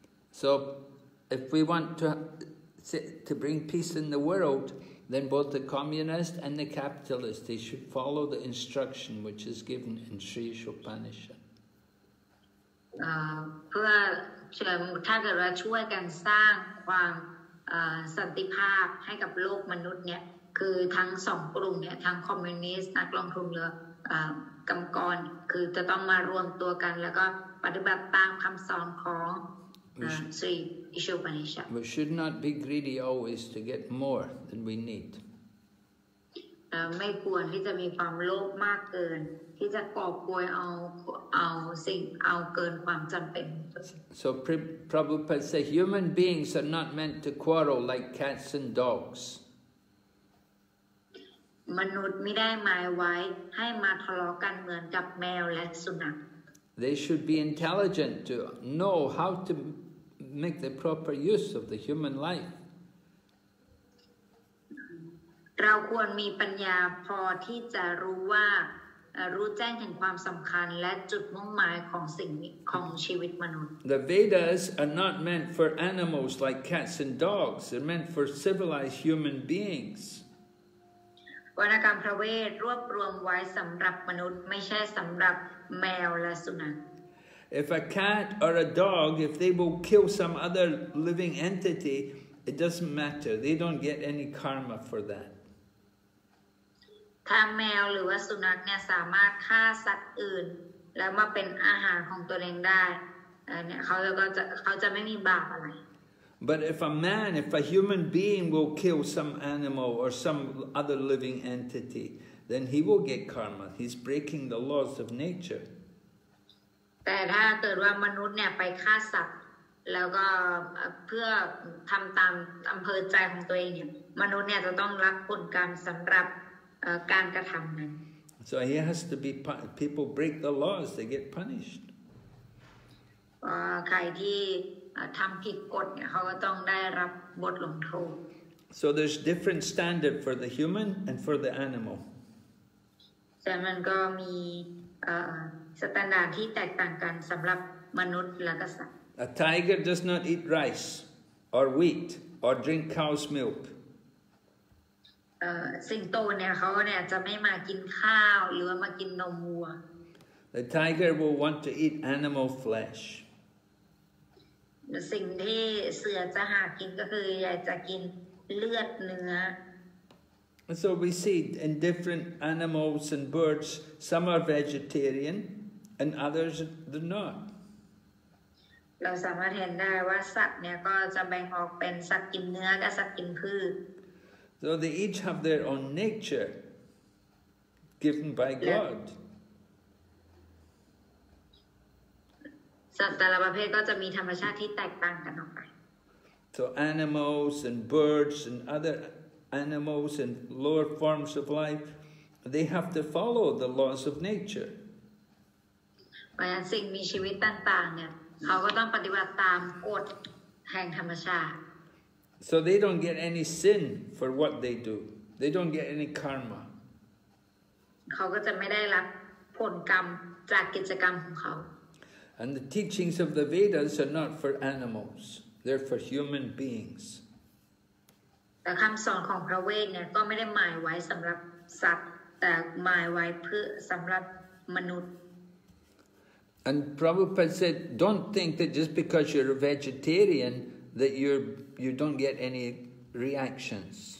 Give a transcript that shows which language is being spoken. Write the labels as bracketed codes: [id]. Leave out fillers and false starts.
[en] So, if we want to bring peace in the world, then both the communist and the capitalist, they should follow the instruction which is given in Sri Upanishad. [th] เพื่อถ้าเกิดว่าช่วยกันสร้างความสันติภาพให้กับโลกมนุษย์เนี่ยคือทั้งสองกลุ่มเนี่ยทั้งคอมมิวนิสต์นักลงทุนเรือกรรมกรคือจะต้องมารวมตัวกันแล้วก็ปฏิบัติตามคำสอนของสี่อิชูปนิช [en] ฌา We should not be greedy always to get more than we need [th] ไม่ควรที่จะมีความโลภมากเกินที่จะกอบโกยเอาสิ่งเอาเกินความจำเป็น [en] So Prabhupada say human beings are not meant to quarrel like cats and dogs [th] มนุษย์ไม่ได้หมายไว้ให้มาทะเลาะกันเหมือนกับแมวและสุนัข [en] They should be intelligent to know how to make the proper use of the human life [th] เราควรมีปัญญาพอที่จะรู้ว่ารู้แจ้งถึงความสำคัญและจุดมุ่งหมายของสิ่งของชีวิตมนุษย์ [en] The Vedas are not meant for animals like cats and dogs they're meant for civilized human beings [th] วรรณกรรมพระเวทรวบรวมไว้สำหรับมนุษย์ไม่ใช่สำหรับแมวและสุนัข [en] If a cat or a dog, if they will kill some other living entity, it doesn't matter. They don't get any karma for that. [th] ถ้าแมวหรือว่าสุนัขเนี่ยสามารถฆ่าสัตว์อื่นแล้วมาเป็นอาหารของตัวเองได้เนี่ยเขาจะไม่มีบาปอะไร [en] But if a man, if a human being will kill some animal or some other living entity, then he will get karma. He's breaking the laws of nature. [th] แต่ถ้าเกิดว่ามนุษย์เนี่ยไปฆ่าสัตว์แล้วก็เพื่อทำตามอำเภอใจของตัวเองเนี่ยมนุษย์เนี่ยจะต้องรับผลกรรมสำหรับการกระทำนั้น [en] So he has to be people break the laws, they get punished. [th] ใครที่ทำผิดกฎเนี่ยเขาก็ต้องได้รับบทลงโทษ [en] So there's different standard for the human and for the animal [th] แต่มันก็มีสแตนดาร์ดที่แตกต่างกันสำหรับมนุษย์และก็สัตว์ [en] A tiger does not eat rice or wheat or drink cow's milk [th] สิงโตเนี่ยเขาเนี่ยจะไม่มากินข้าวหรือมากินนมวัว [en] The tiger will want to eat animal flesh [th] สิ่งที่เสือจะหากินก็คืออยากจะกินเลือดเนื้อ [en] So we see in different animals and birds some are vegetarian and others they're not [th] เราสามารถเห็นได้ว่าสัตว์เนี่ยก็จะแบ่งออกเป็นสัตว์กินเนื้อกับสัตว์กินพืช [en] So they each have their own nature given by God [th] สัตว์แต่ละประเภทก็จะมีธรรมชาติที่แตกต่างกันออกไป [en] So animals and birds and other animals and lower forms of life they have to follow the laws of nature [th] เพราะฉะนั้นสิ่งมีชีวิตต่างๆเนี่ยเขาก็ต้องปฏิบัติตามกฎแห่งธรรมชาติ [en] So they don't get any sin for what they do they don't get any karma [th] เขาก็จะไม่ได้รับผลกรรมจากกิจกรรมของเขา [en] And the teachings of the Vedas are not for animals they're for human beings [th] แต่คําสอนของพระเวทเนี่ยก็ไม่ได้หมายไว้สําหรับสัตว์แต่หมายไว้เพื่อสําหรับมนุษย์ [en] And Prabhupada said, don't think that just because you're a vegetarian that you don't get any reactions.